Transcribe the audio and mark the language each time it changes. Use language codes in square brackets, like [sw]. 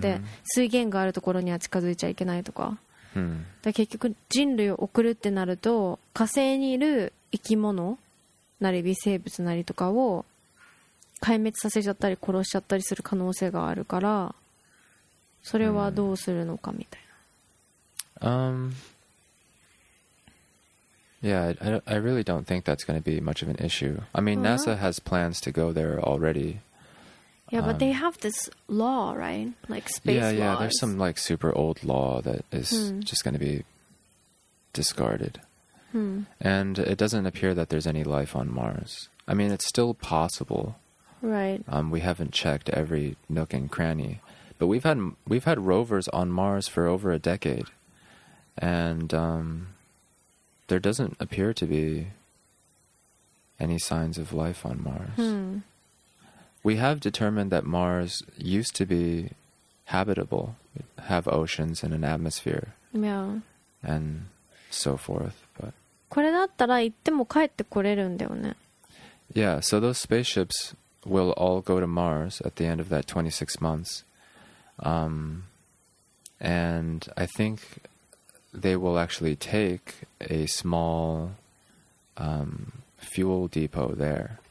[ja] で、水源があるところには近づいちゃいけないとか。だ結局人類を送るってなると火星にいる生き物なり微生物なりとかを壊滅させちゃったり殺しちゃったりする可能性があるから、それはどうするのかみたいな。 [en] Yeah, I really don't think that's going to be much of an issue. I mean, NASA has plans to go there already. Yeah, but they have this law, right? Like space laws. Yeah, laws. There's some like super old law that is just going to be discarded. And it doesn't appear that there's any life on Mars. I mean, it's still possible. Right. We haven't checked every nook and cranny. But we've had rovers on Mars for over a decade. And there doesn't appear to be any signs of life on Mars. We have determined that Mars used to be habitable, have oceans and an atmosphere. Yeah. And so forth, but [ja] これだったら行っても帰ってこれるんだよね。 [en] Yeah, so those spaceships will all go to Mars at the end of that 26 months. And I think they will actually take a small fuel depot there.